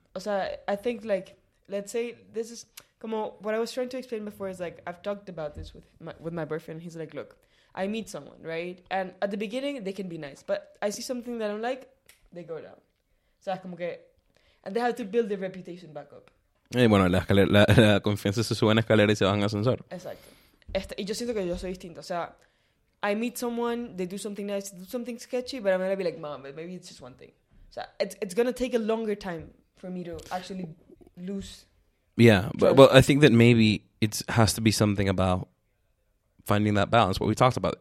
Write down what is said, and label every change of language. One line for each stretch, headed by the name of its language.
English: So I think like, let's say this is, come on, what I was trying to explain before is like, I've talked about this with my boyfriend. He's like, look, I meet someone, right? And at the beginning, they can be nice. But I see something that I'm like, they go down. So I come, okay. And they have to build their reputation back up.
Spanish: Y bueno, la confianza se sube en escalera y se baja en ascensor. Exacto. Y yo siento que yo soy distinto.
English: O sea, I meet someone, they do something nice, do something sketchy, but I'm going to be like, mom, maybe it's just one thing. So it's going to take a longer time for me to actually lose. Yeah, but, well, I think that maybe it has to be something about finding that balance, what we talked about.